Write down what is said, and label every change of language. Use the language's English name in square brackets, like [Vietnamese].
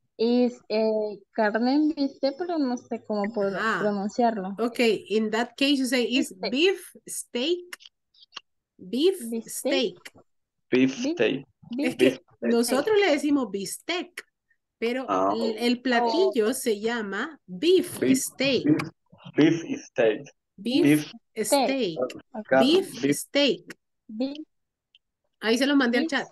[Spanish] Is carne en bistec, pero no sé cómo puedo pronunciarlo. [English] Okay, in that case you say is bistec. Beef steak. Beef steak. Beef steak. [Spanish] Nosotros le decimos bistec, pero el platillo se llama beef steak. [English] Beef steak. Beef steak. Beef steak. Beef. [Spanish] Ahí se lo mandé al chat.